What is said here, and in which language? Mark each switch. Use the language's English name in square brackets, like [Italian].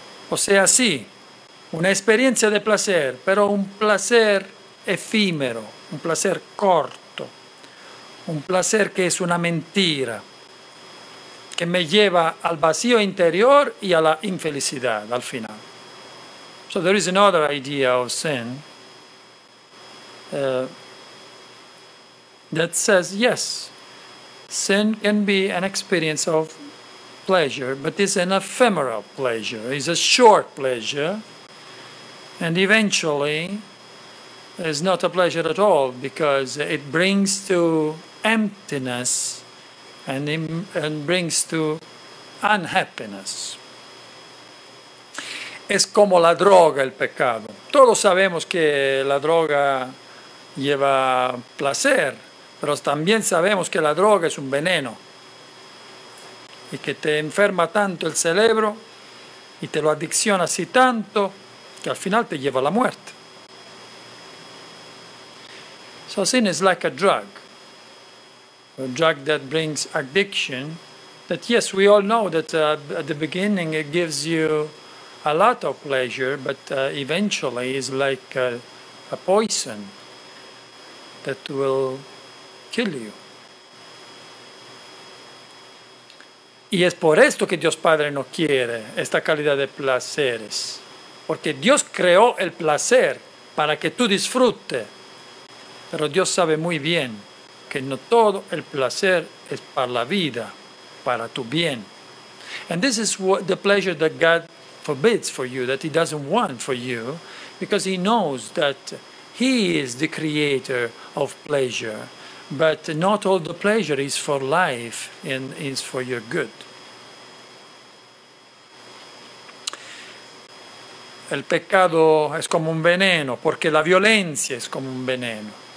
[Spanish] O sea, sí, una experiencia de placer, pero un placer efímero, un placer corto, un placer que es una mentira, que me lleva al vacío interior y a la infelicidad al final. [English] So there is another idea of sin that says, yes, sin can be an experience of pleasure, but it's an ephemeral pleasure. It's a short pleasure, and eventually it's not a pleasure at all because it brings to emptiness and brings to unhappiness. [Spanish] Es como la droga, el pecado. Todos sabemos que la droga lleva placer, pero también sabemos que la droga es un veneno y que te enferma tanto el cerebro y te lo adicciona así tanto que al final te lleva a la muerte. [English] So sin is like a drug that brings addiction, that yes, we all know that at the beginning it gives you a lot of pleasure, but eventually it's like a poison. that will kill you. [Spanish] Y es por esto que Dios Padre no quiere esta calidad de placeres. Porque Dios creó el placer para que tú disfrutes. Pero Dios sabe muy bien que no todo el placer es para la vida, para tu bien. [English] And this is what the pleasure that God forbids for you, that he doesn't want for you, because he knows that he is the creator of pleasure, but not all the pleasure is for life and is for your good. [Spanish] El pecado es como un veneno, porque la violencia es como un veneno.